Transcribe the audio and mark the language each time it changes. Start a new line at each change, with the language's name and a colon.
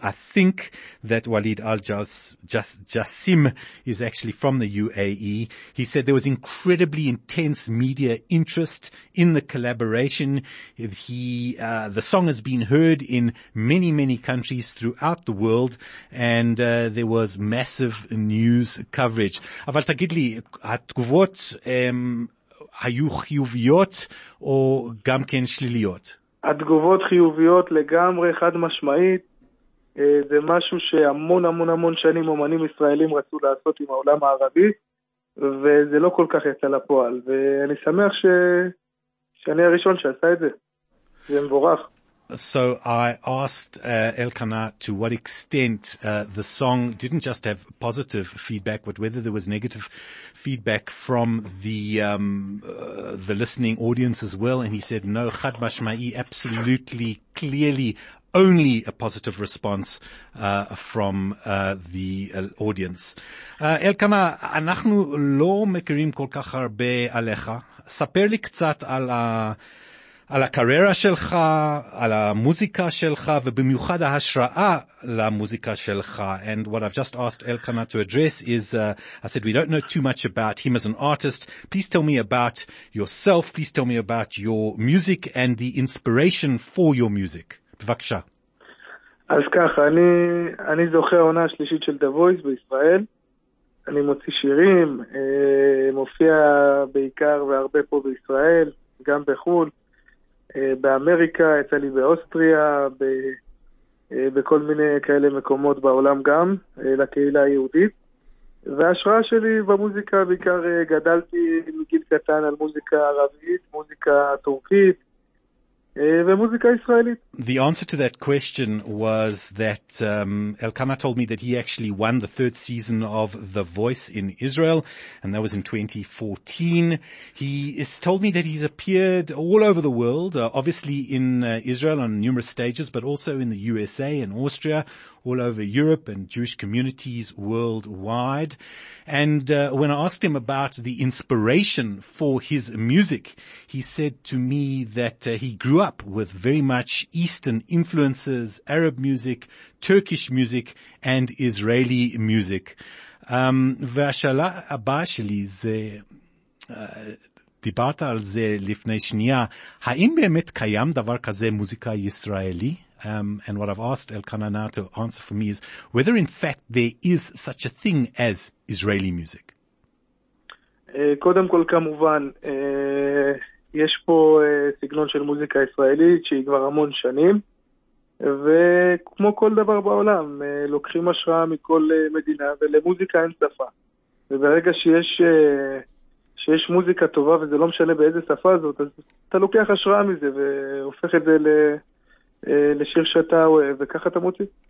English: I think that Walid Al-Jassim is actually from the UAE. He said there was incredibly intense media interest in the collaboration. The song has been heard in many, many countries throughout the world, and there was massive news coverage.
Hebrew: אבל תגיד לי, התגובות היו חיוביות או גם כן שליליות? התגובות חיוביות לגמרי, חד משמעית. זה משהו שהמון המון המון שנים אומנים ישראלים רצו לעשות עם העולם הערבי, וזה לא כל כך יצא לפועל, ואני שמח שאני הראשון שעשה את זה. זה מבורך.
English: So I asked Elkana to what extent the song didn't just have positive feedback, but whether there was negative feedback from the listening audience as well. And he said, no,
Hebrew: Chad Mashmai,
English: absolutely, clearly, only a positive response from the audience.
Hebrew: Elkana, אנחנו לא מכירים כל כך הרבה עליך. ספר לי קצת על על הקריירה שלך, על המוזיקה שלך, ובמיוחד ההשראה למוזיקה שלך.
English: And what I've just asked Elkana to address is, I said, we don't know too much about him as an artist. Please tell me about yourself. Please tell me about your music and the inspiration for your music.
Hebrew: בבקשה. אז ככה, אני זוכר עונה השלישית של The Voice בישראל. אני מוציא שירים, מופיע בעיקר והרבה פה בישראל, גם בחול. באמריקה, יצא לי באוסטריה, בכל מיני כאלה מקומות בעולם גם, לקהילה היהודית. וההשראה שלי במוזיקה, בעיקר גדלתי מגיל קטן על מוזיקה ערבית, מוזיקה טורקית, ומוזיקה ישראלית.
English: The answer to that question was that Elkana told me that he actually won the third season of The Voice in Israel, and that was in 2014. He is told me that he's appeared all over the world, obviously in Israel on numerous stages, but also in the USA and Austria, all over Europe and Jewish communities worldwide. And when I asked him about the inspiration for his music, he said to me that he grew up with very much Eastern influences, Arab music, Turkish music, and Israeli music.
Hebrew: והשאלה הבאה שלי זה, דיברת על זה לפני שנייה, האם באמת קיים דבר כזה מוזיקה ישראלי?
English: And what I've asked Elkana now to answer for me is whether in fact there is such a thing as Israeli music.
Hebrew: קודם כל, כמובן, יש פה סגנון של מוזיקה ישראלית שהיא כבר המון שנים, וכמו כל דבר בעולם, לוקחים השראה מכל מדינה, ולמוזיקה אין שפה. וברגע שיש מוזיקה טובה, וזה לא משנה באיזה שפה זאת, אז אתה לוקח השראה מזה והופך את זה לשיר שאתה אוהב, וככה אתה מוציא.